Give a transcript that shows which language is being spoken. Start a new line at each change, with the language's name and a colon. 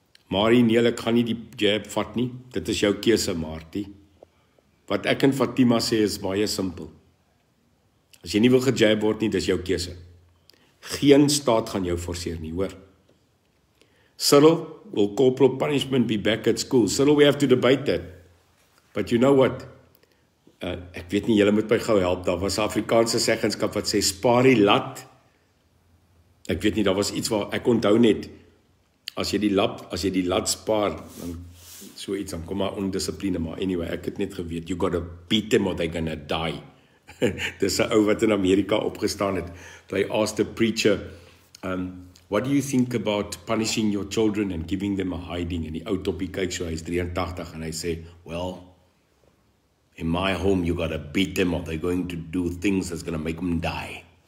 Afrikaans: Marie, nee, ek gaan nie die jab vat nie. Dit is jou keuse, Martie. Wat ek en Fatima sê is baie simpel. As jy nie wil gejab word nie, dis jou keuse. Geen staat gaan jou forceer nie, hoor.
English: Cyril, will corporal punishment be back at school? Cyril, we have to debate that. But you know what?
Afrikaans: Ek weet nie, jylle moet my gauw help. Daar was Afrikaanse seggenskap wat sê, spaar die lat. Ek weet nie, daar was iets wat ek onthou net. As jy die lat spaar, dan so iets, dan kom maar ondiscipline. Maar anyway, ek het net geweet,
English: you gotta beat them or they gonna die.
Afrikaans: Dis 'n ou wat in Amerika opgestaan het.
English: They asked the preacher, what do you think about punishing your children and giving them a hiding?
Afrikaans: En die ou toppie kyk so, hy is 83 en hy sê,
English: well, in my home you gotta beat them or they're going to do things that's gonna make them die.